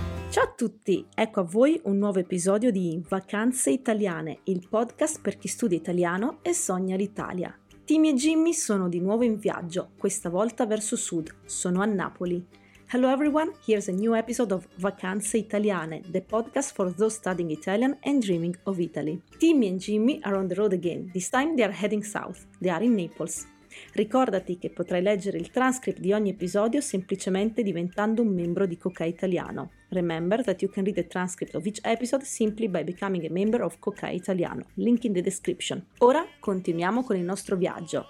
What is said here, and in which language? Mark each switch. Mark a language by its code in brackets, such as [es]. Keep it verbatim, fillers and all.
[it] Ciao a tutti, ecco a voi un nuovo episodio di Vacanze Italiane, il podcast per chi studia italiano e sogna l'Italia. Timmy e Jimmy sono di nuovo in viaggio, questa volta verso sud, sono a Napoli. [en] Hello everyone, here's a new episode of Vacanze Italiane, the podcast for those studying Italian and dreaming of Italy. Timmy and Jimmy are on the road again, this time they are heading south, they are in Naples. [it] Ricordati che potrai leggere il transcript di ogni episodio semplicemente diventando un membro di Kokai Italiano. [en] Remember that you can read the transcript of each episode simply by becoming a member of Kokai Italiano. Link in the description. [it] Ora continuiamo con il nostro viaggio.